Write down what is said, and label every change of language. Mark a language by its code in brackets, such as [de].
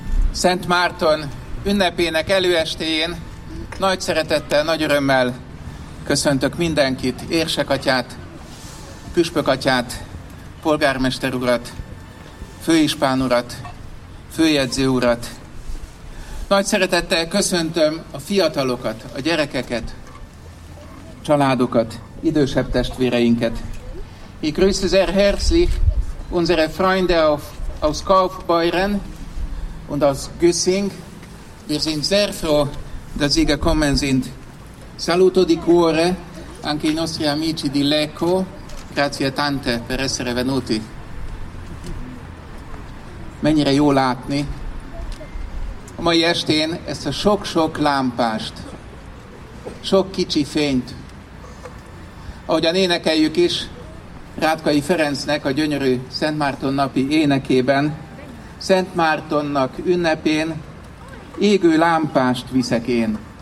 [hu] Szent Márton ünnepének előestéjén nagy szeretettel, nagy örömmel köszöntök mindenkit, érsekatyát, püspökatyát, polgármester urat, főispán urat, főjegyző urat. Nagy szeretettel köszöntöm a fiatalokat, a gyerekeket, családokat, idősebb testvéreinket. [de] Ich grüße sehr herzlich unsere Freunde aus Kaufbeuren und aus Güssing. Wir sind sehr froh, dass Sie gekommen sind. [it] Saluto di cuore anche i nostri amici di Lecco. Grazie tante per essere venuti. [hu] Mennyire jó látni a mai estén ezt a sok-sok lámpást, sok kicsi fényt. Ahogyan énekeljük is Rátkai Ferencnek a gyönyörű Szent Márton napi énekében, Szent Mártonnak ünnepén égő lámpást viszek én.